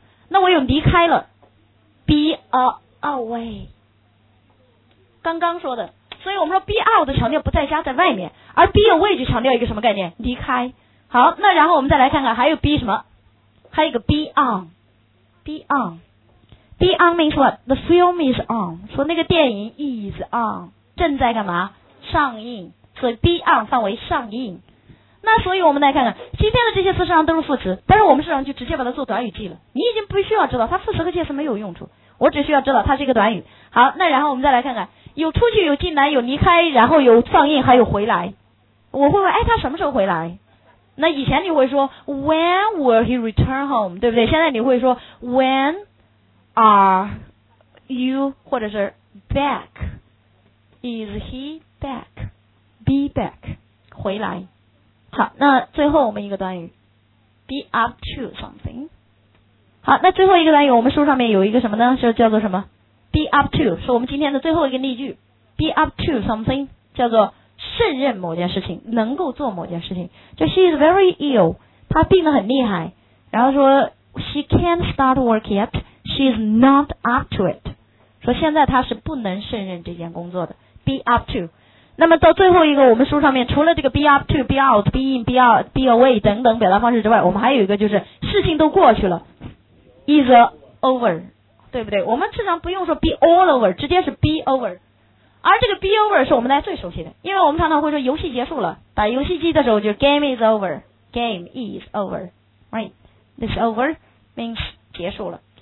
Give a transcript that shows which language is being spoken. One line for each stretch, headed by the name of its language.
Chinese: 那我有离开了， be away， 刚刚说的。所以我们说 be out 强调不在家，在外面，而 be away 就强调一个什么概念？离开。好，那然后我们再来看看还有 be 什么，还有一个 be on， be on， be on means what？
English: The film is on，说那个电影 is on，正在干嘛？
Chinese: 上映。所以 be on 范围上映。那所以我们来看看今天的这些词实际上都是副词，但是我们实际上就直接把它做短语记了，你已经不需要知道它副词和介词没有用处，我只需要知道它是一个短语。好，那然后我们再来看看，有出去，有进来，有离开，然后有上映，还有回来。我会问哎，他什么时候回来？那以前你会说 When will he return home，对不对？现在你会说 When are you 或者是 back， Is he back， Be back， 回来。好，那最后我们一个短语 be up to something。好，那最后一个短语我们书上面有一个什么呢，就叫做什么 be up to， 是我们今天的最后一个例句， be up to something， 叫做胜任某件事情，能够做某件事情。就 she is very ill，她病得很厉害，然后说 she can't start work yet， she is not up to it，说现在她是不能胜任这件工作的。 be up to， 那么到最后一个，我们书上面除了这个 be up to， be out， be in， be out， be away 等等表达方式之外，我们还有一个就是事情都过去了， is over， 对不对？我们至少不用说 be all over， 直接是 be over。而这个 be over 是我们大家最熟悉的，因为我们常常会说游戏结束了，打游戏机的时候就 game is over， game is over， right， this over means 结束了。